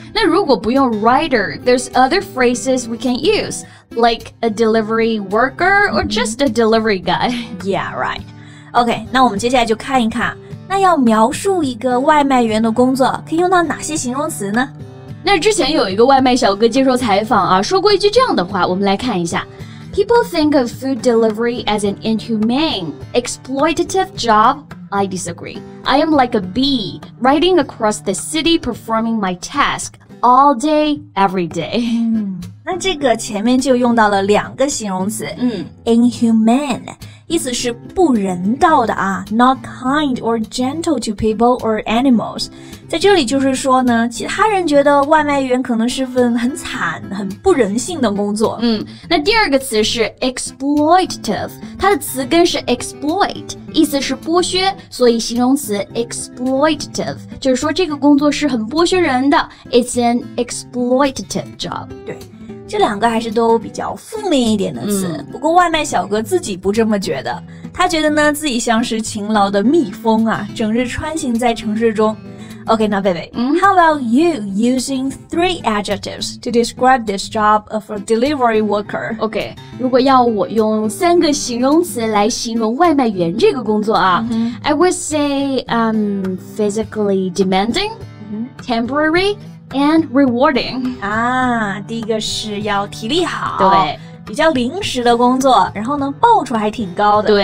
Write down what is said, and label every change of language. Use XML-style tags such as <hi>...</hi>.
<zh>那如果不用</zh> <en>Rider There's other phrases we can use Like a delivery worker Or just a delivery guy Yeah, right OK,</en> <zh>那我们接下来就看一看那要描述一个外卖员的工作可以用到哪些形容词呢那之前有一个外卖小哥接受采访啊说过一句这样的话我们来看一下</zh> <en>People think of food delivery as an inhumane, exploitative job. I disagree. I am like a bee, riding across the city performing my task all day, every day.</en> <zh>那这个前面就用到了两个形容词inhumane, 意思是不人道的啊</zh> <en>not kind or gentle to people or animals.</en> <zh>在这里就是说呢其他人觉得外卖员可能是份很惨很不人性的工作。那第二个词是 exploitative, 它的词根是 exploit, 意思是剥削所以形容词 exploitative, 就是说这个工作是很剥削人的</zh> <en>it's an exploitative job.</en> <zh>对。这两个还是都比较负面一点的词、嗯、不过外卖小哥自己不这么觉得，他觉得呢自己像是勤劳的蜜蜂啊，整日穿行在城市中。</zh> <en>OK, now baby,、 mm-hmm. how about you using three adjectives to describe this job of a delivery worker? OK,</en> <zh>如果要我用三个形容词来形容外卖员这个工作啊、 mm-hmm.</zh> <en>I would say、physically demanding,、mm-hmm. temporary, and rewarding.</en> <zh>啊，第一个是要体力好。对。比较临时的工作，然后呢报酬还挺高的。</zh>